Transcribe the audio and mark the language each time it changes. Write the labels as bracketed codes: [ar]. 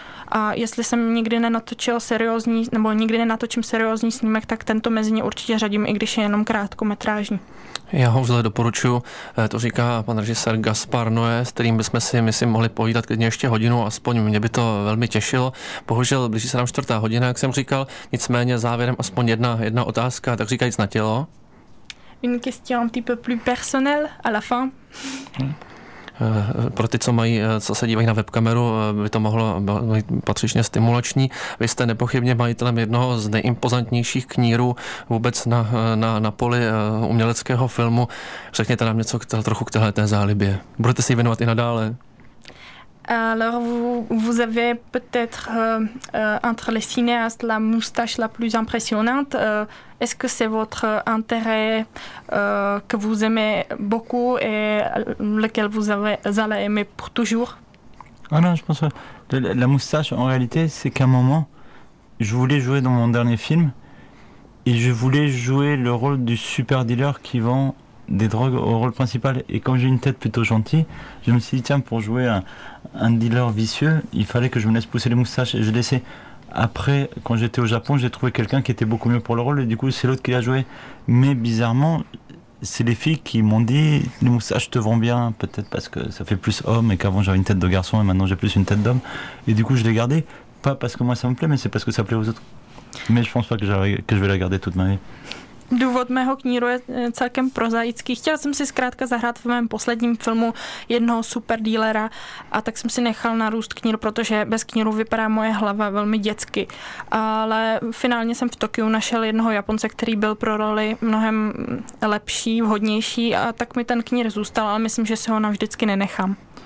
[cs] A jestli jsem nikdy nenatočil seriózní, nebo nikdy nenatočím seriózní snímek, tak tento mezi ně určitě řadím, i když je jenom krátkometrážní. Já ho vzhled doporučuji, to říká pan režisér Gaspar Noé, s kterým bychom si, myslím, mohli povídat klidně ještě hodinu, aspoň mě by to velmi těšilo. Bohužel blíží se nám 4. hodina, jak jsem říkal, nicméně závěrem aspoň jedna otázka, tak říkajíc na tělo. [fr] Une question un petit peu plus personnel à la fin. [cs] Pro ty, co se dívají na webkameru, by to mohlo být patřičně stimulační. Vy jste nepochybně majitelem jednoho z nejimpozantnějších knírů vůbec na poli uměleckého filmu. Řekněte nám něco trochu k téhle zálibě. Budete si ji věnovat i nadále? [fr] Alors, vous avez peut-être entre les cinéastes la moustache la plus impressionnante. Est-ce que c'est votre intérêt que vous aimez beaucoup et lequel vous allez aimer pour toujours? Ah non, je pense que la moustache, en réalité, c'est qu'à un moment, je voulais jouer dans mon dernier film et je voulais jouer le rôle du super dealer qui vend des drogues au rôle principal. Et comme j'ai une tête plutôt gentille, je me suis dit, tiens, pour jouer un dealer vicieux, il fallait que je me laisse pousser les moustaches. Et je laissais. Après, quand j'étais au Japon, j'ai trouvé quelqu'un qui était beaucoup mieux pour le rôle, et du coup c'est l'autre qui l'a joué. Mais bizarrement, c'est les filles qui m'ont dit, les moustaches te vont bien, peut-être parce que ça fait plus homme, et qu'avant j'avais une tête de garçon et maintenant j'ai plus une tête d'homme. Et du coup je l'ai gardé, pas parce que moi ça me plaît, mais c'est parce que ça plaît aux autres. Mais je pense pas que je vais la garder toute ma vie. [cs] Důvod mého kníru je celkem prozaický. Chtěl jsem si zkrátka zahrát v mém posledním filmu jednoho superdílera a tak jsem si nechal narůst knír, protože bez kníru vypadá moje hlava velmi dětsky. Ale finálně jsem v Tokiu našel jednoho Japonce, který byl pro roli mnohem lepší, vhodnější a tak mi ten knír zůstal, ale myslím, že si ho navždycky nenechám.